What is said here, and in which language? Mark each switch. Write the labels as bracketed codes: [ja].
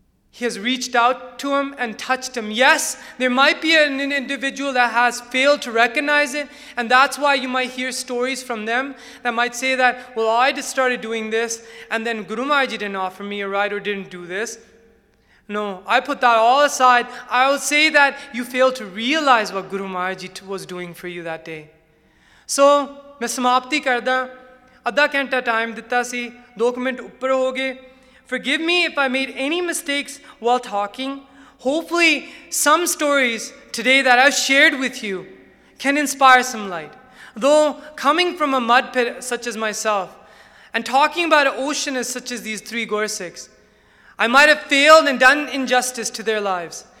[en] He has reached out to him and touched him. Yes, there might be an individual that has failed to recognize it, and that's why you might hear stories from them that might say that, well, I just started doing this, and then Guru Maharaj didn't offer me a ride or didn't do this. No, I put that all aside. I will say that you failed to realize what Guru Maharaj was doing for you that day. [pa] ਸੋ, ਮੈਂ ਸਮਾਪਤੀ ਕਰਦਾ, ਅੱਧਾ ਘੰਟਾ time ਦਿੱਤਾ ਸੀ, 2 minute ਉੱਪਰ ਹੋ ਗਏ. [en] Forgive me if I made any mistakes while talking. Hopefully, some stories today that I've shared with you can inspire some light. Though coming from a mud pit such as myself and talking about an ocean as such as these three Gursikhs, I might have failed and done injustice to their lives.